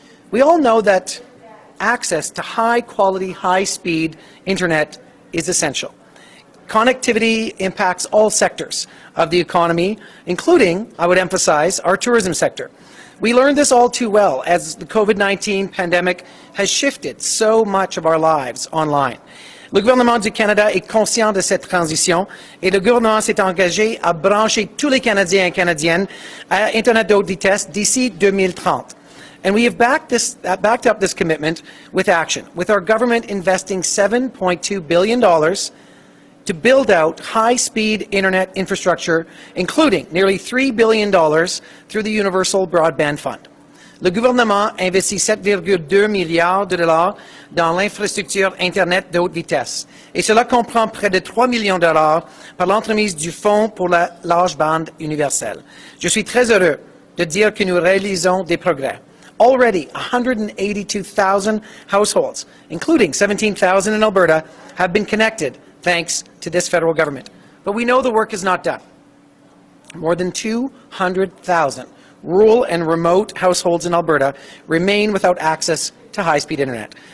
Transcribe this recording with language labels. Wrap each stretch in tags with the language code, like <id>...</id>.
<en>We all know that access to high-quality, high-speed internet is essential. Connectivity impacts all sectors of the economy, including, I would emphasize, our tourism sector. We learned this all too well as the COVID-19 pandemic has shifted so much of our lives online.</en> <fr>Le gouvernement du Canada est conscient de cette transition et le gouvernement s'est engagé à brancher tous les Canadiens et Canadiennes à Internet de haute vitesse d'ici 2030.</fr> <en>And we have backed up this commitment with action, with our government investing $7.2 billion to build out high-speed internet infrastructure, including nearly $3 billion through the Universal Broadband Fund.</en> <fr>Le gouvernement investit 7,2 milliards de dollars dans l'infrastructure internet de haute vitesse, et cela comprend près de 3 millions de dollars par l'entremise du Fonds pour la large bande universelle. Je suis très heureux de dire que nous réalisons des progrès.</fr> <en>Already, 182,000 households, including 17,000 in Alberta, have been connected thanks to this federal government. But we know the work is not done. More than 200,000 rural and remote households in Alberta remain without access to high-speed internet.</en>